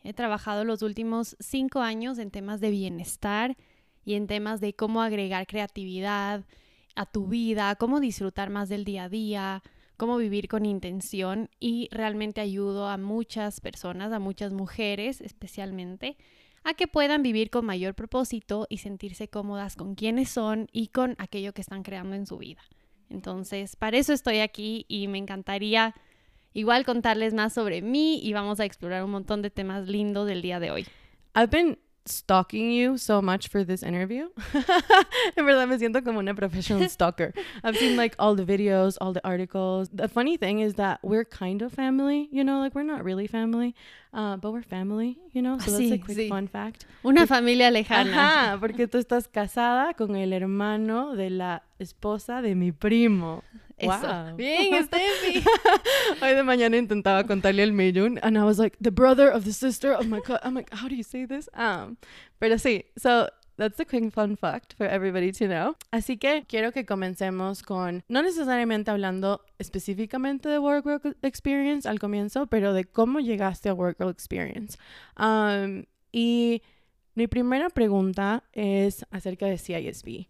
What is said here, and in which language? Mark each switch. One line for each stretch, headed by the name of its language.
Spanish: He trabajado los últimos 5 años en temas de bienestar y en temas de cómo agregar creatividad a tu vida, cómo disfrutar más del día a día, cómo vivir con intención, y realmente ayudo a muchas personas, a muchas mujeres especialmente, a que puedan vivir con mayor propósito y sentirse cómodas con quienes son y con aquello que están creando en su vida. Entonces, para eso estoy aquí y me encantaría igual contarles más sobre mí y vamos a explorar un montón de temas lindos del día de hoy.
English: Stalking you so much for this interview.
Spanish: En verdad me siento como una
English: professional stalker. I've seen like all the videos, all the articles. The funny thing is that we're kind of family, you know, like we're not really family, but we're family, you know. So that's a quick fun fact.
Spanish: Una familia lejana. Ajá, porque tú estás casada con el hermano de la esposa de mi primo. Wow. Bien, Steffi. Hoy de mañana intentaba contarle al Mayun,
English: and I was like, the brother of the sister of my cousin. I'm like, how do you say this?
Spanish: Pero sí,
English: so that's a quick fun fact for everybody to know.
Spanish: Así que quiero que comencemos con, no necesariamente hablando específicamente de Workwell Experience al comienzo, pero de cómo llegaste a Workwell Experience. Y mi primera pregunta es acerca de CISB.